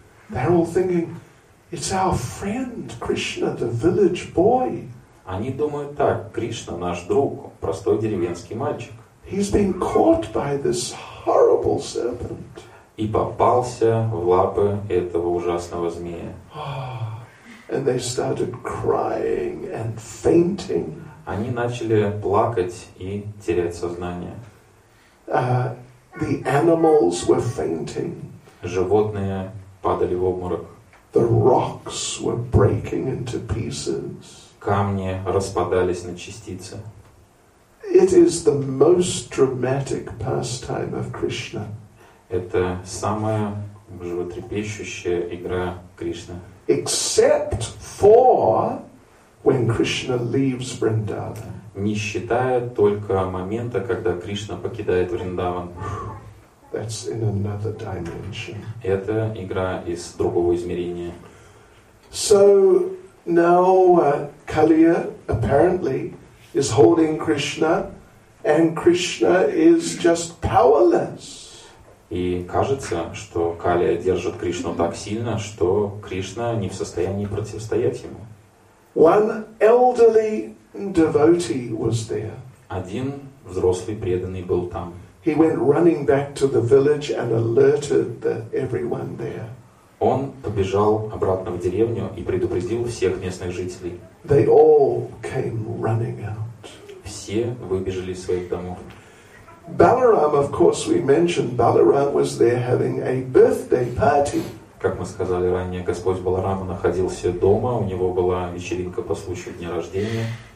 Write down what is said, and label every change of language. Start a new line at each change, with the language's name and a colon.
English: They're all thinking, it's our friend Krishna, the village boy.
Russian: Они думают так: Кришна наш друг, простой деревенский мальчик.
English: He's been caught by this horrible serpent.
Russian: И попался в лапы этого ужасного змея.
English: And they started crying and fainting.
Russian: Они начали плакать и терять сознание.
English: The animals were fainting.
Russian: Животные падали в обморок.
English: The rocks were breaking into pieces.
Russian: Камни распадались на частицы.
English: It is the most dramatic pastime of Krishna.
Russian: Это самая животрепещущая игра Кришны.
English: Except for when Krishna leaves Vrindavan.
Russian: Не считая только момента, когда Кришна покидает Вриндаван.
English: That's in another dimension.
Russian: Это игра из другого измерения.
English: So now Kaliya apparently is holding Krishna, and Krishna is just powerless.
Russian: И кажется, что Калия держит Кришну так сильно, что Кришна не в состоянии противостоять ему.
English: One elderly devotee was there.
Russian: Один взрослый преданный был там.
English: He went running back to the village and alerted everyone there.
Russian: Он побежал обратно в деревню и предупредил всех местных жителей.
English: They all came running out.
Russian: Все выбежали из своих домов.
English: Balaram, of course, we mentioned Balaram was there having a birthday party.
Russian: Как мы сказали ранее, Господь Баларама находился дома, у него была вечеринка по случаю дня рождения.